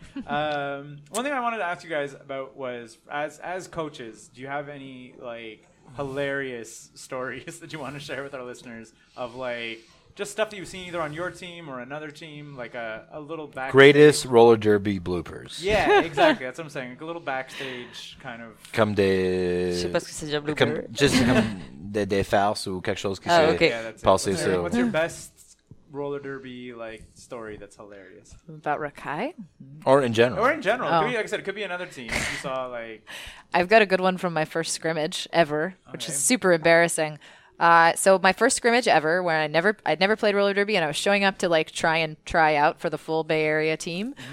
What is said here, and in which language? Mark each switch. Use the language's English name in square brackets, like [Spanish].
[English] One thing I wanted to ask you guys about was as coaches, do you have any like hilarious stories that you want to share with our listeners of like? Just stuff that you've seen either on your team or another team, like a little backstage. Greatest roller derby bloopers. Yeah, exactly. That's what I'm saying. Like a little backstage kind of. [French] Comme des. Je sais pas ce que c'est déjà blooper. Just comme des farces ou quelque chose qui s'est passé. [English] What's your best roller derby like story that's hilarious? About Rakai? Or in general. Or in general. Oh. Like I said, it could be another team. You saw like. I've got a good one from my first scrimmage ever, which is super embarrassing. So my first scrimmage ever where I'd never played roller derby and I was showing up to like try out for the full Bay Area team.